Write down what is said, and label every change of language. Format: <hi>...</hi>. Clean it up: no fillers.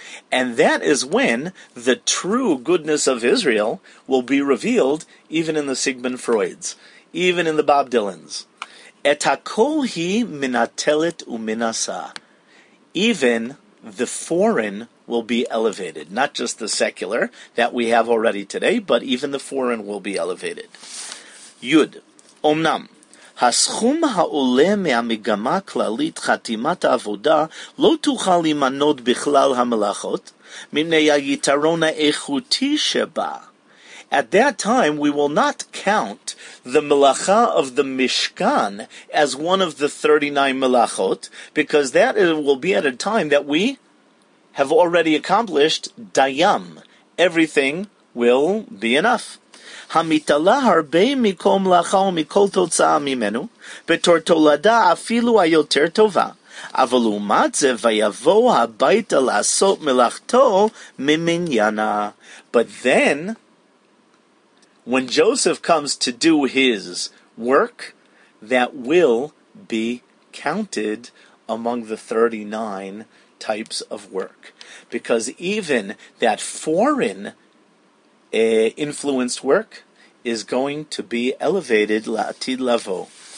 <en>And that is when the true goodness of Israel will be revealed, even in the Sigmund Freuds, even in the Bob Dylans.</en> <he>Et hakol hi minatelet uminasa.</he> <en>Even the foreign will be elevated, not just the secular that we have already today, but even the foreign will be elevated.</en> <he>Yud, omnam. הסכום העולה מהמגמה הכללית חתימת העבודה לא תוכל למנות בכלל המלאכות מפני היתרון האיכותי שבה.</he> <en>At that time, we will not count the melacha of the Mishkan as one of the 39 melachot, because that will be at a time that we have already accomplished dayam. Everything will be enough.</en> <he>המתעלה הרבה מכל מלאכה ומכל תוצאה ממנו, בתור תולדה אפילו היותר טובה. אבל לעומת זה, ויבוא הביתה לעשות מלאכתו ממניינה.</he> <en>But then, when Joseph comes to do his work, that will be counted among the 39 types of work. Because even that foreign influenced work is going to be elevated la'atid lavo.</en>